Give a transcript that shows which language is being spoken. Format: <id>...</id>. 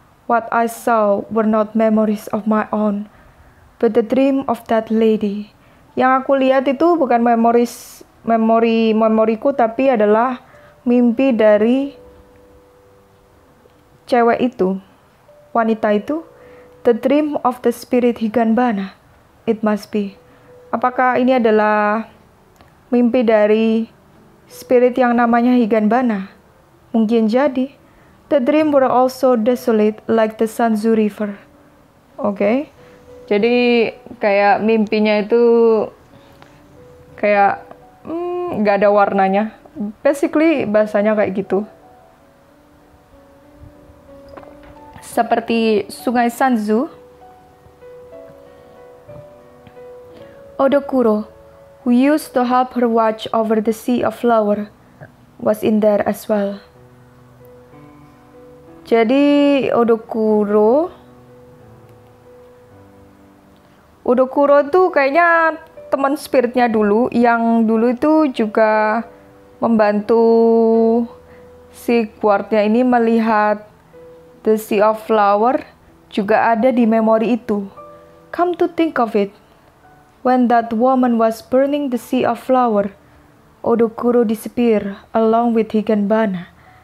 <en>What I saw were not memories of my own, but the dream of that lady.</en> <id>Yang aku lihat itu bukan memoriku, tapi adalah mimpi dari cewek itu, wanita itu.</id> <en>The dream of the spirit Higanbana, it must be.</en> <id>Apakah ini adalah mimpi dari spirit yang namanya Higanbana? Mungkin jadi.</id> <en>The dream were also desolate like the Sanzu River. Okay.</en> <id>Jadi kayak mimpinya itu kayak gak ada warnanya. Basically bahasanya kayak gitu. Seperti Sungai Sanzu.</id> <en>Odokuro, who used to help her watch over the sea of flower, was in there as well.</en> <id>Jadi Odokuro tuh kayaknya teman spiritnya dulu, yang dulu itu juga membantu si guardnya ini melihat</id> <en>the sea of flower,</en> <id>juga ada di memori itu.</id> <en>Come to think of it, when that woman was burning the sea of flower, Odokuro disappear along with Higanbana.</en>